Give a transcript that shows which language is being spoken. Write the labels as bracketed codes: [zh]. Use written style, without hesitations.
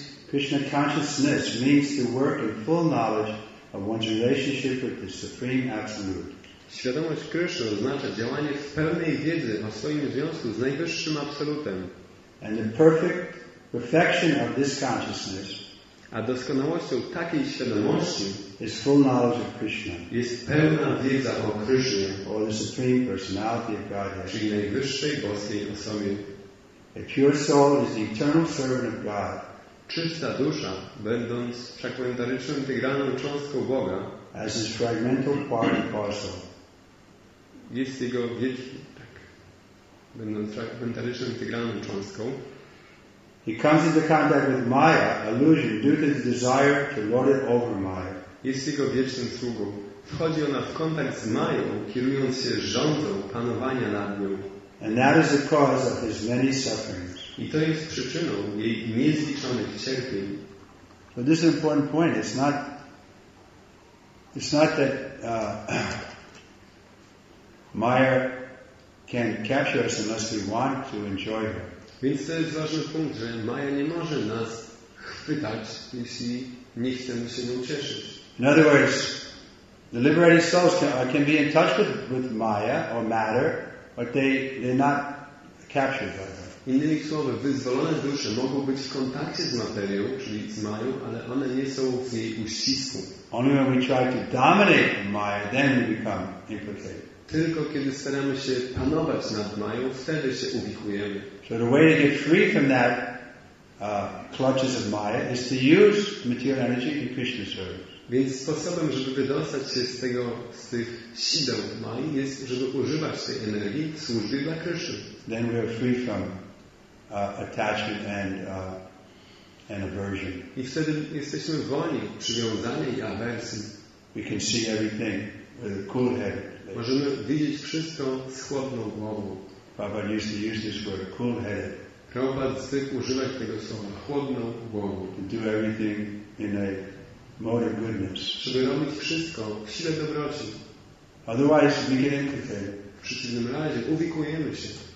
[en] Krishna consciousness means to work in full knowledge of one's relationship with the Supreme Absolute. [pl] Świadomość Krishna oznacza działanie w pełnej wiedzy o swoim związku z najwyższym absolutem. [en] And the perfect perfection of this consciousness, [pl] a doskonałością takiej świadomości, [en] is full knowledge of Krishna. [pl] Jest pełna wiedza o Krishna, [en] or the Supreme Personality of Godhead, [pl] czyli najwyższej boskiej osobie. [en] A pure soul is the eternal servant of God. [pl] Czysta dusza, będąc fragmentaryczną, integralną cząstką Boga, [en] as his fragmental part and parcel, [pl] jest jego wielki, tak, będąc fragmentaryczną, integralną cząstką, [en] he comes into contact with Maya, illusion, due to the desire to lord it over Maya. [pl] Jest jego wiecznym sługą. Wchodzi ona w kontakt z Mają, kierując się rządzą panowania nad nią. [en] And that is the cause of his many sufferings. [pl] I to jest przyczyną jej niezliczonych cierpień. [en] But this is an important point. It's not that Maya can capture us unless we want to enjoy her. [pl] Więc to jest ważny punkt, że Maya nie może nas chwytać, jeśli nie chcemy się nią cieszyć. [en] In other words, the liberated souls can be in touch with Maya or matter, but they're not captured by her. [pl] Innymi słowy, wyzwolone dusze mogą być w kontakcie z materią, czyli z Mają, ale one nie są w jej uścisku. [en] Only when we try to dominate Maya, then we become implicated. [pl] Tylko kiedy staramy się panować nad Mają, wtedy się uwikujemy. [en] So the way to get free from that clutches of Maya is to use material energy in Krishna service. [pl] Więc sposobem, żeby wydostać się z tego, z tych sideł Mai, jest, żeby używać tej energii w służbie dla Krishna. [en] Then we are free from attachment and aversion. [pl] I wtedy jesteśmy wolni od przywiązania i awersji. [en] We can see everything with a cool head. [pl] Możemy widzieć wszystko z chłodną głową. [en] Prabhupada used to use this word, cool head. [pl] Prabhupada zwykł używać tego słowa, chłodną głową. [en] To do everything in a mode of goodness. [pl] Żeby robić wszystko w sile dobroci. [en] Otherwise we get implicated. [pl] W przeciwnym razie uwikujemy się.